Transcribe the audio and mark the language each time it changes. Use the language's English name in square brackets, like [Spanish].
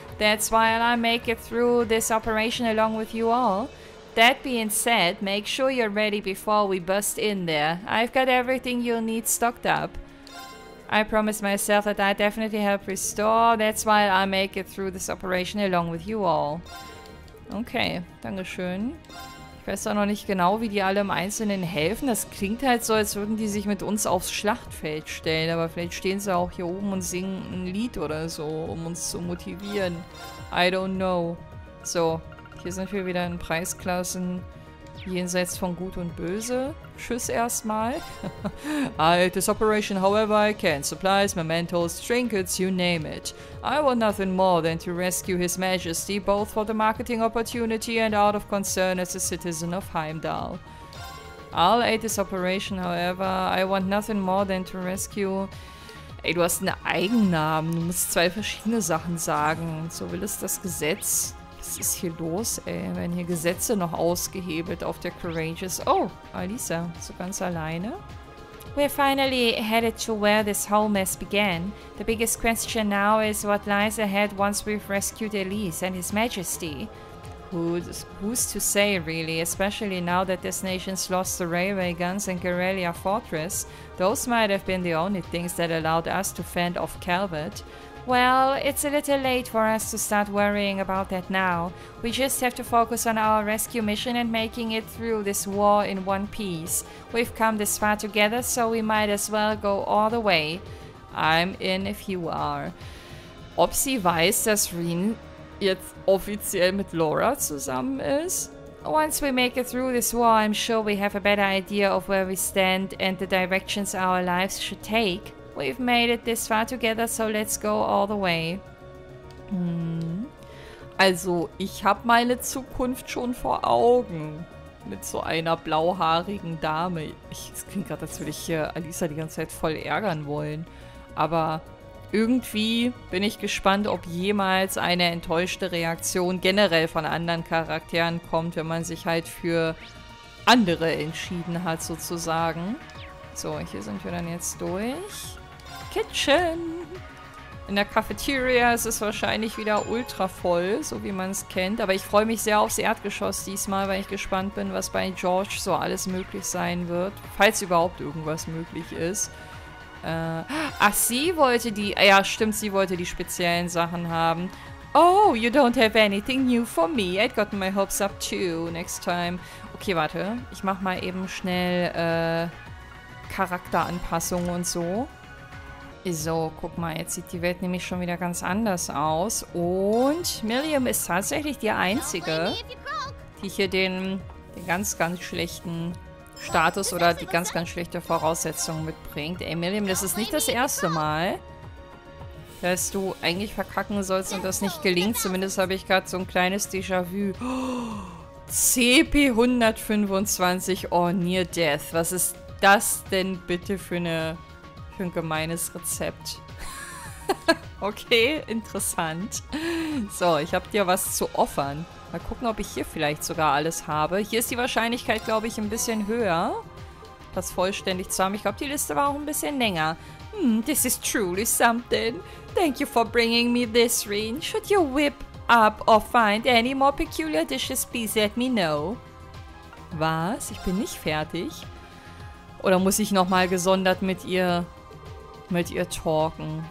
[English] That's why I'll make it through this operation along with you all. That being said, make sure you're ready before we bust in there. I've got everything you'll need stocked up. I promise myself that I definitely help restore. That's why I make it through this operation along with you all. [German] Okay, dankeschön. Ich weiß auch noch nicht genau, wie die alle im Einzelnen helfen. Das klingt halt so, als würden die sich mit uns aufs Schlachtfeld stellen. Aber vielleicht stehen sie auch hier oben und singen ein Lied oder so, um uns zu motivieren. [English] I don't know. [German] So, hier sind wir wieder in Preisklassen. Jenseits von Gut und Böse. Tschüss erstmal. [English] I'll this operation however I can. Supplies, mementos, trinkets, you name it. I want nothing more than to rescue His Majesty, both for the marketing opportunity and out of concern as a citizen of Heimdall. I'll aid this operation however I want nothing more than to rescue. [German] Ey, du hast einen Eigennamen. Du musst zwei verschiedene Sachen sagen. So will es das Gesetz. Was ist hier los, ey? Werden hier Gesetze noch ausgehebelt auf der Courageous? Oh, Alisa, so ganz alleine? [English] We're finally headed to where this whole mess began. The biggest question now is what lies ahead once we've rescued Elise and His Majesty. Who's to say, really? Especially now that this nation's lost the railway guns and guerrilla fortress. Those might have been the only things that allowed us to fend off Calvert. Well, it's a little late for us to start worrying about that now. We just have to focus on our rescue mission and making it through this war in one piece. We've come this far together, so we might as well go all the way. I'm in if you are. [German] Ob sie weiß, dass Rin jetzt offiziell mit Laura zusammen ist? [English] Once we make it through this war, I'm sure we have a better idea of where we stand and the directions our lives should take. We've made it this far together, so let's go all the way. [German] Also, ich hab meine Zukunft schon vor Augen. Mit so einer blauhaarigen Dame. Es klingt gerade, als würde ich hier Alisa die ganze Zeit voll ärgern wollen. Aber irgendwie bin ich gespannt, ob jemals eine enttäuschte Reaktion generell von anderen Charakteren kommt, wenn man sich halt für andere entschieden hat, sozusagen. So, hier sind wir dann jetzt durch. Kitchen! In der Cafeteria ist es wahrscheinlich wieder ultra voll, so wie man es kennt. Aber ich freue mich sehr aufs Erdgeschoss diesmal, weil ich gespannt bin, was bei George so alles möglich sein wird. Falls überhaupt irgendwas möglich ist. Sie wollte die speziellen Sachen haben. [English] Oh, you don't have anything new for me. I'd gotten my hopes up too next time. Okay, [German] warte. Ich mach mal eben schnell Charakteranpassung und so. So, guck mal, jetzt sieht die Welt nämlich schon wieder ganz anders aus. Und Miriam ist tatsächlich die Einzige, die hier den ganz, ganz schlechten Status oder die ganz, ganz schlechte Voraussetzung mitbringt. Ey, Miriam, das ist nicht das erste Mal, dass du eigentlich verkacken sollst und das nicht gelingt. Zumindest habe ich gerade so ein kleines Déjà-vu. [English] Oh, CP125 or near death. [German] Was ist das denn bitte für ein gemeines Rezept? Okay, interessant. So, ich habe dir was zu offern. Mal gucken, ob ich hier vielleicht sogar alles habe. Hier ist die Wahrscheinlichkeit, glaube ich, ein bisschen höher, das vollständig zu haben. Ich glaube, die Liste war auch ein bisschen länger. [English] This is truly something. Thank you for bringing me this, Rin. Should you whip up or find any more peculiar dishes, please let me know. [German] Was? Ich bin nicht fertig. Oder muss ich nochmal gesondert mit ihr talken?